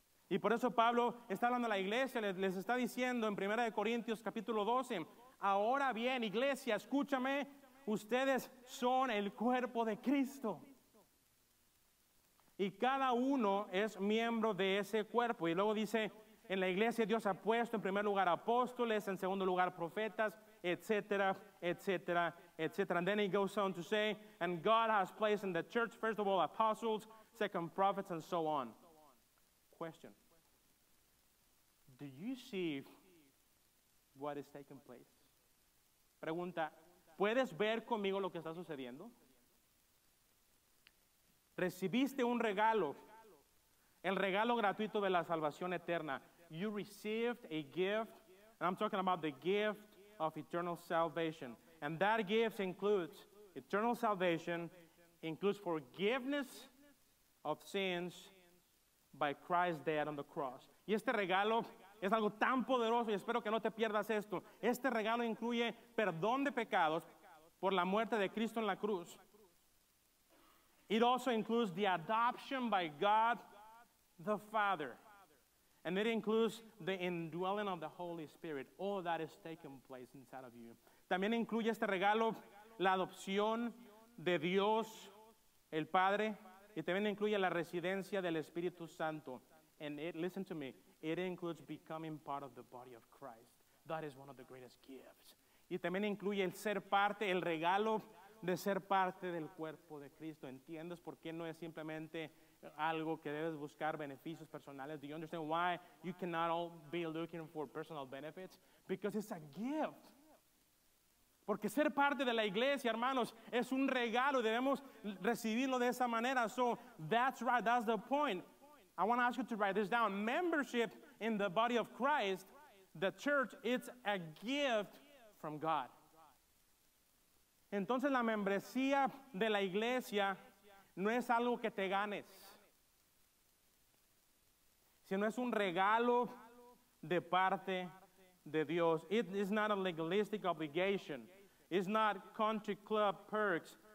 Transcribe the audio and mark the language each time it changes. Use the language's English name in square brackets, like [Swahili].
[Spanish] Y por eso Pablo está hablando a la iglesia, les está diciendo en 1 Corintios capítulo 12, ahora bien, iglesia, escúchame, ustedes son el cuerpo de Cristo. Y cada uno es miembro de ese cuerpo. Y luego dice, en la iglesia Dios ha puesto en primer lugar apóstoles, en segundo lugar profetas, etcétera, etcétera, etcétera. [English] And then he goes on to say, and God has placed in the church, first of all, apostles, second prophets, and so on. Question. Do you see what is taking place? [Spanish] Pregunta, ¿puedes ver conmigo lo que está sucediendo? Recibiste un regalo, el regalo gratuito de la salvación eterna. [English] You received a gift, and I'm talking about the gift of eternal salvation. And that gift includes eternal salvation, includes forgiveness of sins by Christ's death on the cross. [Spanish] Y este regalo es algo tan poderoso, y espero que no te pierdas esto. Este regalo incluye perdón de pecados por la muerte de Cristo en la cruz. [English] It also includes the adoption by God the Father. And it includes the indwelling of the Holy Spirit. All that is taking place inside of you. [Spanish] También incluye este regalo la adopción de Dios el Padre. Y también incluye la residencia del Espíritu Santo. [English] And it, listen to me, it includes becoming part of the body of Christ. That is one of the greatest gifts. [Spanish] Y también incluye el ser parte, el regalo de ser parte del cuerpo de Cristo. ¿Entiendes por qué no es simplemente algo que debes buscar beneficios personales? [English] Do you understand why you cannot all be looking for personal benefits? Because it's a gift. [Spanish] Porque ser parte de la iglesia, hermanos, es un regalo. Debemos recibirlo de esa manera. [English] So that's right. That's the point. I want to ask you to write this down. Membership in the body of Christ, the church, it's a gift from God. [Spanish] Entonces la membresía de la iglesia no es algo que te ganes, sino es un regalo de parte de Dios. [English] It is not a legalistic obligation. It's not country club perks.